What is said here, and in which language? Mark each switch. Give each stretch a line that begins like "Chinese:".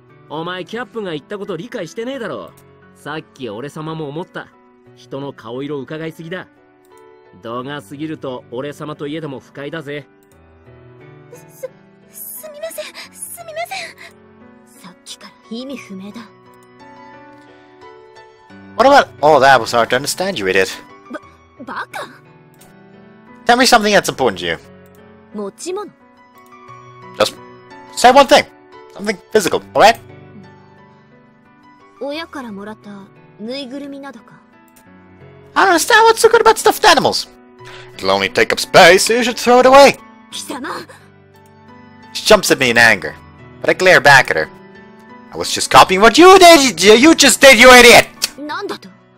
Japanese: お前キャップが言ったこと理解してねえだろ。さっき俺様も思った。人の顔色を伺いすぎだ。度が過ぎると俺様といえども不快だぜ。すみませんさっきから意味不明だ。
English: What about all that was hard to understand, you idiot?
Japanese: バカ
English: Tell me something that's important to you.
Japanese: 持ち物。
English: Just say one thing. Something physical, alright?
Japanese: 親からもらったぬいぐるみなどか。
English: I don't understand what's so good about stuffed animals. It'll only take up space, so you should throw it away.
Japanese: 貴様。
English: She jumps at me in anger, but I glare back at her. I was just copying what you did. You just did, you idiot.
Japanese: なんだと。